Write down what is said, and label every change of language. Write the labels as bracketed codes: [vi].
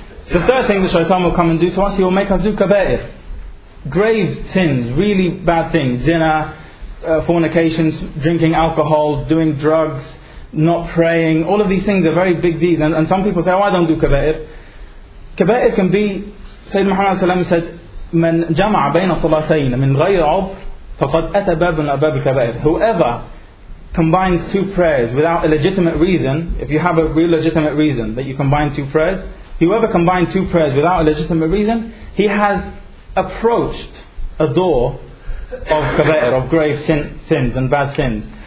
[en] The third thing the shaitan will come and do to us, he will make us do kaba'ir. Grave sins, really bad things. Zina, fornication, drinking alcohol, doing drugs, not praying. All of these things are very big deeds. And some people say, oh, I don't do kaba'ir. Kaba'ir can be, Sayyidina Muhammad sallallahu alayhi wa sallam said, [ar] من جمع بين صلاتين من غير عبر فقد أتى باب من أباب الكبائر. [en] Whoever combines two prayers without a legitimate reason, if you have a real legitimate reason that you combine two prayers, whoever combined two prayers without a legitimate reason, he has approached a door of kaba'ir, of grave sins and bad sins.